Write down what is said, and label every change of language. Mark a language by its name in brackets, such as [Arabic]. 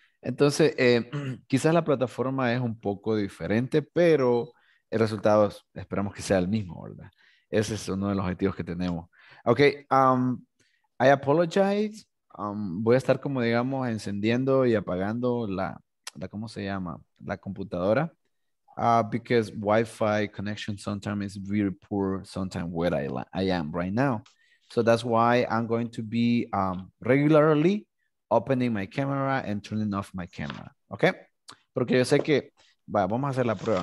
[Spanish] Entonces, quizás la plataforma es un poco diferente, pero el resultado esperamos que sea el mismo, ¿verdad? Ese es uno de los objetivos que tenemos. [English] Ok, I apologize. [Spanish] Voy a estar como digamos encendiendo y apagando ¿cómo se llama? La computadora. [English] Because Wi-Fi connection sometimes is very poor, sometimes where I am right now. So that's why I'm going to be regularly opening my camera and turning off my camera. Okay? [Spanish] Porque yo sé que, vamos a hacer la prueba.